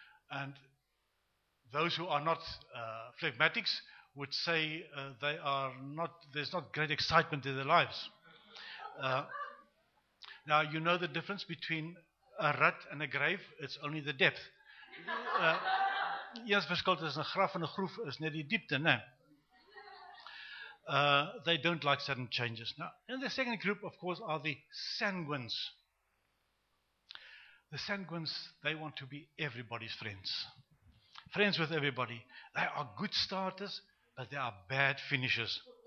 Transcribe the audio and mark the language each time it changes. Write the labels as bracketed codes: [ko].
[en] And those who are not phlegmatics would say they are not. There's not great excitement in their lives. Now, you know the difference between a rut and a grave. It's only the depth. [af] Eers verskil tussen 'n graf en 'n groef is net die diepte, né? [en] they don't like sudden changes. Now, in the second group, of course, are the sanguines. The sanguines, they want to be everybody's friends. Friends with everybody. They are good starters, but they are bad finishers.